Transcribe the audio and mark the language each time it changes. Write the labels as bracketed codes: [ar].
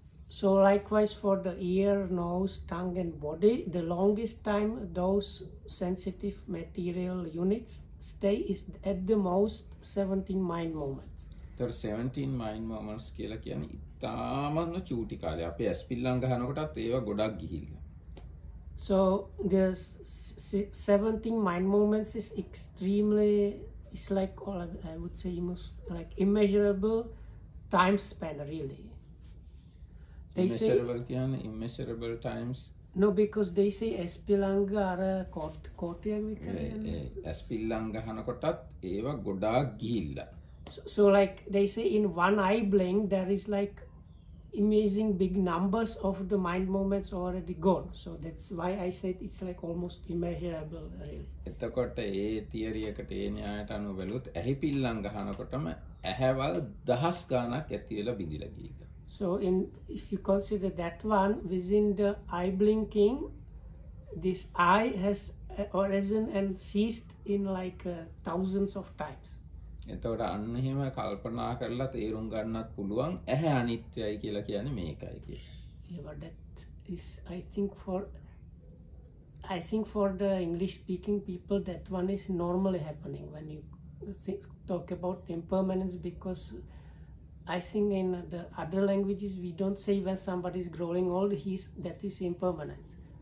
[en] So likewise for the ear, nose, tongue and body, the longest time those sensitive material units stay is at the most 17 mind moments. There are 17 mind moments [si] කියලා කියන්නේ ඉතාමත්ම චූටි කාලය. අපි ඇස්පිල්ලම් ගන්නකොටත් ඒවා ගොඩක් ගිහිල්ලා. [en] So the 17 mind moments is extremely, it's like all of, I would say most like immeasurable time span really. Immeasurable [si] කියන්නේ [en] immeasurable times. No, because they say [si] ඇස්පිල්ලම් අර කෝටියක් විතර යනවා. ඇස්පිල්ලම් ගන්නකොටත් ඒව ගොඩාක් ගිහිල්ලා. [en] So like they say in one eye blink there is like amazing big numbers of the mind moments already gone. So that's why I said it's like almost immeasurable really. [si] එතකොට ඒ theory එකට ඒ න්‍යායට අනුව බැලුවොත් ඇහිපිල්ලම් ගන්නකොටම ඇහැවල් දහස් ගණක් ඇති වෙලා බිඳිලා ගිහිල්ලා. [en] So in if you consider that one within the eye blinking, this eye has arisen and ceased in like thousands of times. [si] එතකොට අන්න එහෙම කල්පනා කරලා තේරුම් ගන්නත් පුළුවන් ඇහැ අනිත්‍යයි කියලා කියන්නේ මේකයි කියන්නේ. [en] Yeah, but that is I think for the English speaking people that one is normally happening when you talk about impermanence, because I think in the other languages we don't say when somebody is growing old he's that is impermanence.